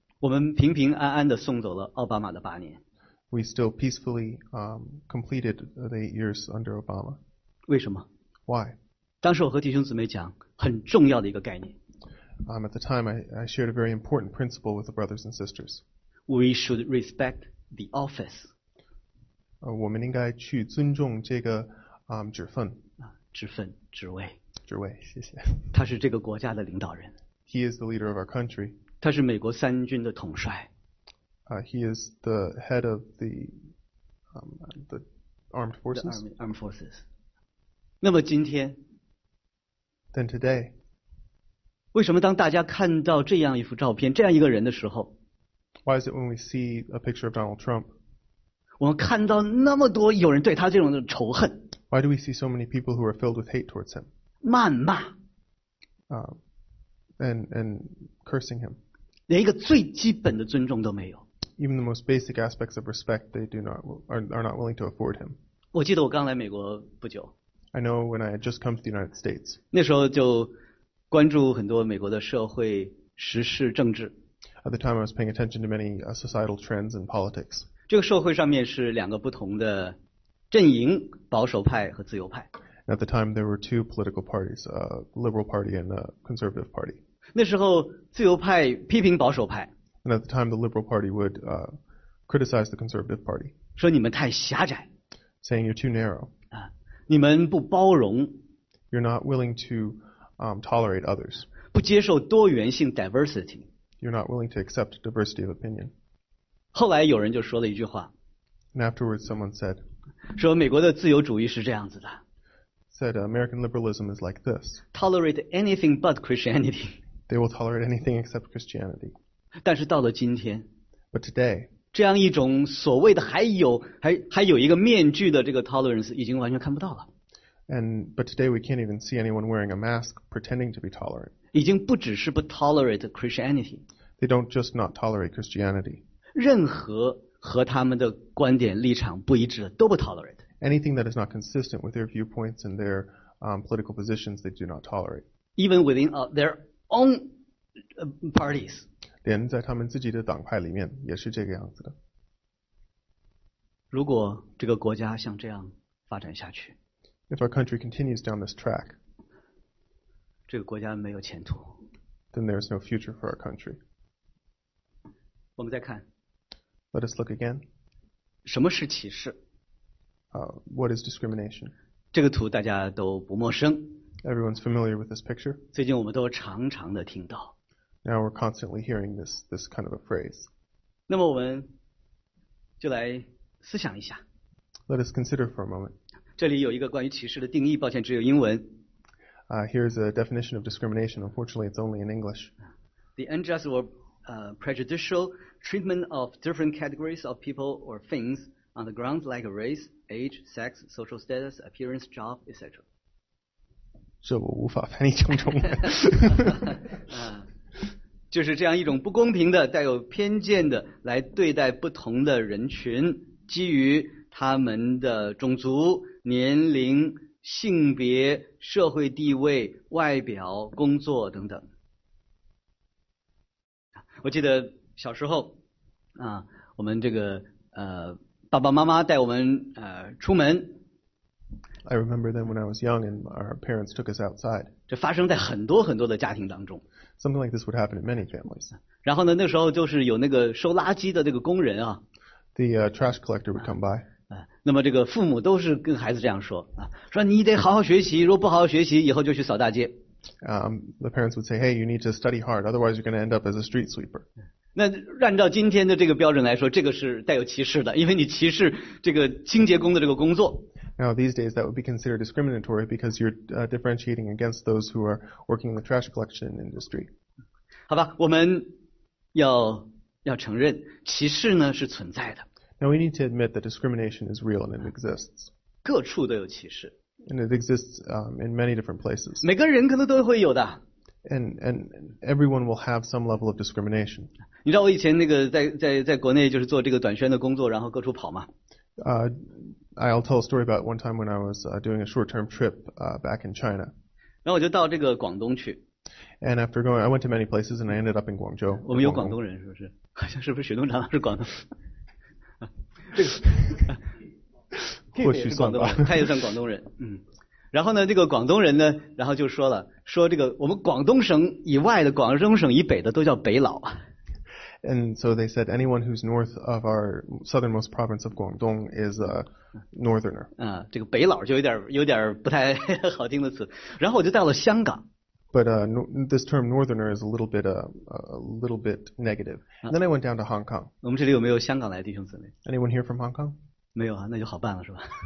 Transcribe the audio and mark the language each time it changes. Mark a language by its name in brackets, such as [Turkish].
[Chinese] 我们平平安安地送走了奥巴马的八年。 [English] We still peacefully completed the 8 years under Obama. [Chinese] 为什么？ [English] Why? [Chinese] 当时我和弟兄姊妹讲很重要的一个概念。 [English] At the time, I shared a very important principle with the brothers and sisters. We should respect the office. [Chinese] 我们应该去尊重这个职分。职分，职位。职位，谢谢。他是这个国家的领导人。 [English] He is the leader of our country. [Chinese] 他是美国三军的统帅。 [English] He is the head of the armed forces. The armed forces. [Chinese] 那么今天。 [English] Then today. [Chinese] 为什么当大家看到这样一幅照片，这样一个人的时候， [English] Why is it when we see a picture of Donald Trump? [Chinese] 我们看到那么多有人对他这种的仇恨。 [English] Why do we see so many people who are filled with hate towards him? [Chinese] 谩骂。 [English] And cursing him. [Chinese] 连一个最基本的尊重都没有。 [English] Even the most basic aspects of respect, they do not are not willing to afford him. [Chinese] 我记得我刚来美国不久。 [English] I know when I had just come to the United States. [Chinese] 那时候就关注很多美国的社会时事政治。 [English] At the time, I was paying attention to many societal trends and politics. [Chinese] 这个社会上面是两个不同的阵营，保守派和自由派。 [English] At the time, there were two political parties, a liberal party and a conservative party. [Chinese] 那时候自由派批评保守派。 [English] And at the time, the liberal party would criticize the conservative party. [Chinese] 说你们太狭窄。 [English] Saying you're too narrow. [Chinese] 你们不包容。 [English] You're not willing to tolerate others. [Chinese] 不接受多元性 diversity. [English] You're not willing to accept diversity of opinion. [Chinese] 后来有人就说了一句话。 [English] And afterwards, someone said, [Chinese] 说美国的自由主义是这样子的。 [English] Said American liberalism is like this. Tolerate anything but Christianity. They will tolerate anything except Christianity. [Chinese] 但是到了今天。 [English] But today. [Chinese] 这样一种所谓的还有一个面具的这个 tolerance 已经完全看不到了。 [English] But today we can't even see anyone wearing a mask pretending to be tolerant. [Chinese] 已经不只是不 [English] tolerate Christianity. They don't just not tolerate Christianity. [Chinese] 任何和他们的观点立场不一致的都不 tolerate. [English] Anything that is not consistent with their viewpoints and their political positions, they do not tolerate. Even within their own parties. [Chinese] 连在他们自己的党派里面也是这个样子的。如果这个国家像这样发展下去， [English] If our country continues down this track, [Chinese] 这个国家没有前途。 [English] Then there is no future for our country. [Chinese] 我们再看。 [English] Let us look again. [Chinese] 什么是歧视？ [English] What is discrimination? [Chinese] 这个图大家都不陌生。 [English] Everyone's familiar with this picture. [Chinese] 最近我们都常常的听到。 [English] Now we're constantly hearing this kind of a phrase. [Chinese] 那么我们就来思想一下。 [English] Let us consider for a moment. [Chinese] 这里有一个关于歧视的定义，抱歉，只有英文。 [English] Here's a definition of discrimination. Unfortunately, it's only in English. The unjust or prejudicial treatment of different categories of people or things on the grounds like race, age, sex, social status, appearance, job, etc. [Chinese] 这我无法翻译成中文。就是这样一种不公平的、带有偏见的来对待不同的人群，基于他们的种族、年龄、性别、社会地位、外表、工作等等。我记得小时候啊，我们这个爸爸妈妈带我们出门。 [English] I remember then when I was young and our parents took us outside. [Chinese] 这发生在很多很多的家庭当中。 [English] Something like this would happen in many families. [Chinese] 然后呢，那时候就是有那个收垃圾的那个工人啊。 [English] The trash collector would come by. [Chinese] 那么这个父母都是跟孩子这样说啊，说你得好好学习，如果不好好学习，以后就去扫大街。 [English] The parents would say, "Hey, you need to study hard, otherwise you're going to end up as a street sweeper." [Chinese] 那按照今天的这个标准来说，这个是带有歧视的，因为你歧视这个清洁工的这个工作。 [English] Now these days that would be considered discriminatory because you're differentiating against those who are working in the trash collection industry. [Chinese] 好吧，我们要承认歧视呢是存在的。 [English] Now we need to admit that discrimination is real and it exists. [Chinese] 各处都有歧视。 [English] And it exists in many different places. [Chinese] 每个人可能都会有的。 [English] And everyone will have some level of discrimination. [Chinese] 你知道我以前那个在国内就是做这个短宣的工作，然后各处跑吗？ [English] I'll tell a story about one time when I was doing a short-term trip back in China. [Chinese] 然后我就到这个广东去。 [English] And after going, I went to many places and I ended up in Guangzhou. [Chinese] 我们有广东人是不是？好像是不是雪东长是广东？这个或许算吧，他也算广东人。嗯。然后呢，这个广东人呢，然后就说了，说这个我们广东省以外的、广东省以北的都叫北佬。 [English] And so they said anyone who's north of our southernmost province of Guangdong is a northerner. [Chinese] 这个北佬就有点不太好听的词。然后我就到了香港。 [English] But this term northerner is a little bit negative. And then I went down to Hong Kong. [Chinese] 我们这里有没有香港来的弟兄姊妹？ [English] Anyone here from Hong Kong? [Chinese] 没有啊，那就好办了是吧？